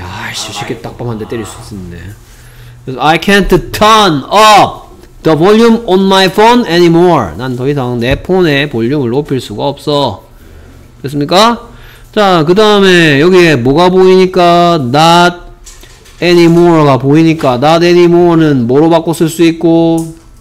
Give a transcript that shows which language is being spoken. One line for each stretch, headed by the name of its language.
Korean: 아이씨, 쉽게 딱 밤 한데 때릴 수 있었는데.
English: I can't turn up the volume on my phone anymore.
Korean: 난 더 이상 내 폰의 볼륨을 높일 수가 없어. 됐습니까? 자, 그 다음에 여기에 뭐가 보이니까? Not anymore가 보이니까 Not anymore는 뭐로 바꿔 쓸 수 있고?